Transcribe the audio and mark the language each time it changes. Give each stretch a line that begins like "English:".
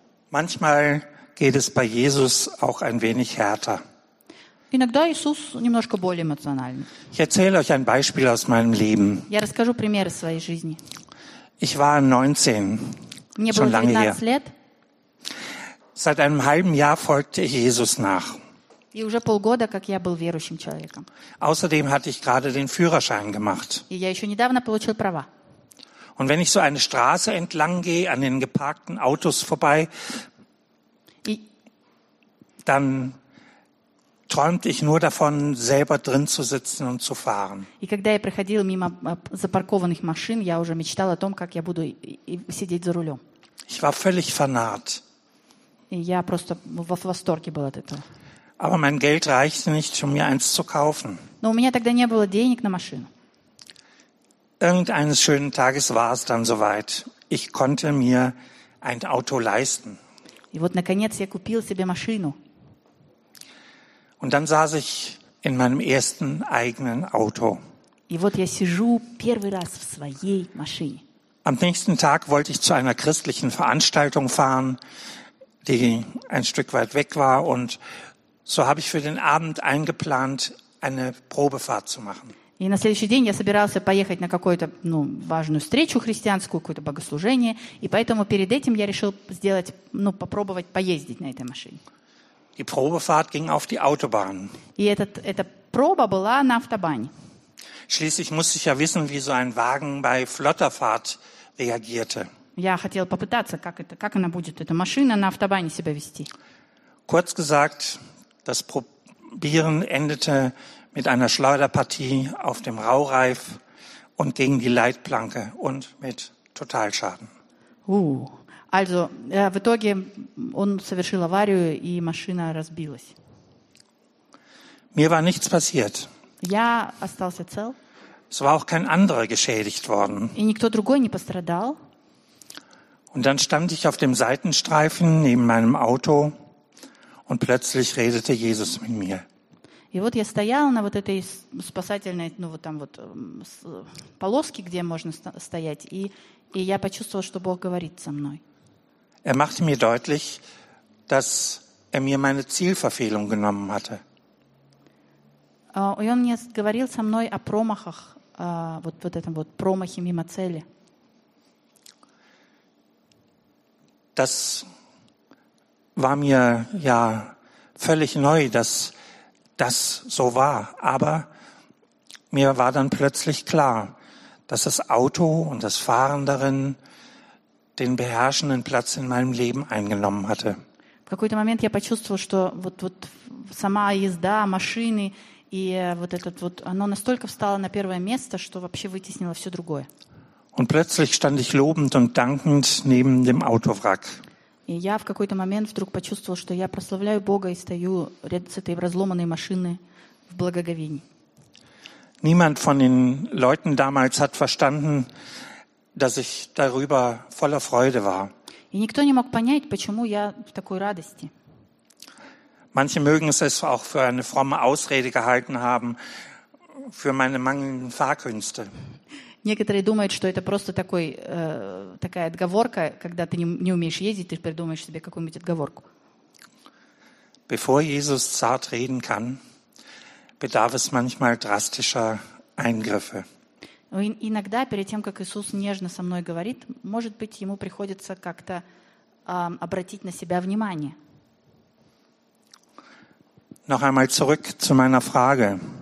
German: Manchmal geht es bei Jesus auch ein wenig härter.
Russian: Иногда Иисус немножко более эмоциональный.
German: Ich erzähle euch ein Beispiel aus meinem Leben.
Russian: Я расскажу пример из своей жизни.
German: Ich war 19.
Russian: Мне было 19 лет.
German: Seit einem halben Jahr folgte ich Jesus nach.
Russian: И уже полгода, как я был верующим человеком.
German: Außerdem hatte ich gerade den Führerschein gemacht.
Russian: И я еще недавно получил права.
German: Und wenn ich so eine Straße entlang gehe, an den geparkten Autos vorbei, dann träumte ich nur davon, selber drin zu sitzen und zu fahren.
Russian: И когда я проходил мимо запаркованных машин, я уже мечтал о том, как я буду сидеть за рулем.
German: Ich war völlig vernarrt.
Russian: И я просто в восторге был от этого.
German: Aber mein Geld reichte nicht, um mir eins zu kaufen.
Russian: Но у меня тогда не было денег на машину.
German: Irgendeines schönen Tages war es dann soweit. Ich konnte mir ein Auto leisten.
Russian: И вот наконец я купил себе машину.
German: Und dann saß ich in meinem ersten eigenen Auto.
Russian: И вот я сижу первый раз в своей машине.
German: Am nächsten Tag wollte ich zu einer christlichen Veranstaltung fahren, die ein Stück weit weg war, und so habe ich für den Abend eingeplant, eine Probefahrt zu machen.
Russian: И на следующий день я собирался поехать на какую-то, ну, важную встречу христианскую, какое-то богослужение, и поэтому перед этим я решил сделать, ну, попробовать поездить на этой машине.
German: Die Probefahrt ging auf die Autobahn.
Russian: И эта проба была на автобане.
German: Schließlich musste ich ja wissen, wie so ein Wagen bei flotter Fahrt reagierte.
Russian: Я хотел попытаться, как она будет, эта машина, на автобане себя вести.
German: Kurz gesagt, das Probieren endete mit einer Schleuderpartie auf dem Raureif und gegen die Leitplanke und mit Totalschaden.
Russian: Also, в итоге он совершил аварию, и машина разбилась.
German: Mir war nichts passiert.
Russian: Я остался цел.
German: Es war auch kein anderer geschädigt worden.
Russian: И никто другой не пострадал.
German: Und dann stand ich auf dem Seitenstreifen neben meinem Auto und plötzlich redete Jesus mit mir.
Russian: И вот я стоял на вот этой спасательной, ну вот там вот полоске, где можно стоять, и я почувствовал, что Бог говорит со мной.
German: Er machte mir deutlich, dass er mir meine Zielverfehlung genommen hatte.
Russian: И он мне говорил со мной о промахах, вот этом вот промахе мимо цели.
German: Das war mir ja völlig neu, dass das so war. Aber mir war dann plötzlich klar, dass das Auto und das Fahren darin den beherrschenden Platz in meinem Leben eingenommen hatte.
Russian: В какой-то момент я почувствовал, что вот сама езда, машины и вот этот вот, оно настолько встало на первое место, что вообще вытеснило все другое.
German: Und plötzlich stand ich lobend und dankend neben dem Autowrack.
Russian: И я в какой-то момент вдруг почувствовал, что я прославляю Бога и стою рядом с этой разломанной машиной в благоговении.
German: Niemand von den Leuten damals hat verstanden, dass ich darüber voller Freude war.
Russian: И никто не мог понять, почему я в такой радости.
German: Manche mögen es auch für eine fromme Ausrede gehalten haben, für meine mangelnden Fahrkünste.
Russian: Некоторые думают, что это просто такая отговорка, когда ты не умеешь ездить, ты придумаешь себе какую-нибудь отговорку.
German: Bevor Jesus zart reden kann, bedarf es manchmal drastischer Eingriffe.
Russian: Иногда перед тем, как Иисус нежно со мной говорит, может быть, ему приходится как-то обратить на себя внимание.
German: Noch einmal zurück zu meiner Frage.